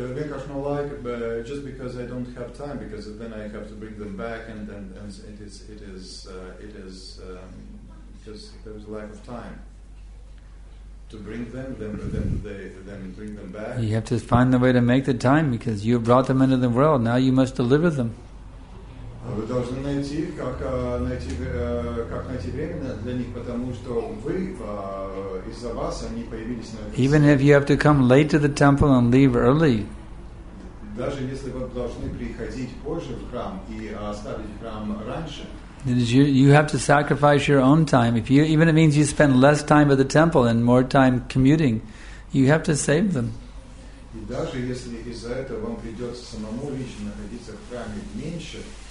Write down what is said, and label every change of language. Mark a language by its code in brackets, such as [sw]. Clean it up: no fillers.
[en] Just because I don't have time, because then I have to bring them back, and it is there is a lack of time to bring them, then bring them back. You have to find the way to make the time, because you brought them into the world. Now you must deliver them. [ru] Вы должны найти, как найти время для них, потому что вы из-за вас они появились на. [en] Even if you have to come late to the temple and leave early. [ru] Даже если вы должны приходить позже в храм и оставить храм раньше. [en] You have to sacrifice your own time. If you, even it means you spend less time at the temple and more time commuting, you have to save them. [ru] И даже если из-за этого вам придется самому лично находиться в храме меньше.